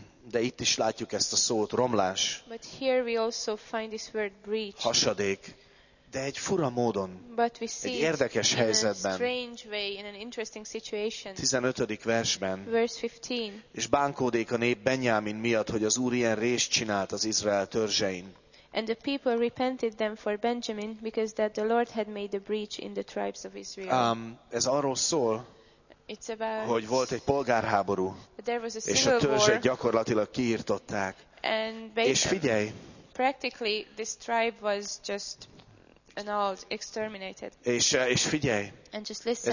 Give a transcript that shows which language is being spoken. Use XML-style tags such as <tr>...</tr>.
<hu>De itt is látjuk ezt a szót, romlás.</hu> <en>But here we also find this word breach.</en> <hu>Hasadék. De egy fura módon.</hu> <en>But we see</en> <hu>egy érdekes</hu> <en>it</en> <hu>helyzetben.</hu> <en>In a strange way, in an interesting situation.</en> <hu>15. versben.</hu> <en>Verse 15.</en> <hu>És bánkódék a nép Benyámin miatt, hogy az Úr ilyen részt csinált az Izrael törzsein.</hu> <en>And the people repented them for Benjamin because that the Lord had made a breach in the tribes of Israel.</en> <hu>Ez arról szól, hogy volt egy polgárháború, és a törzset gyakorlatilag kiirtották. És figyelj,</hu> <en>practically this tribe was just annulled, exterminated.</en> <hu>És figyelj,</hu> <en>and just listen,</en>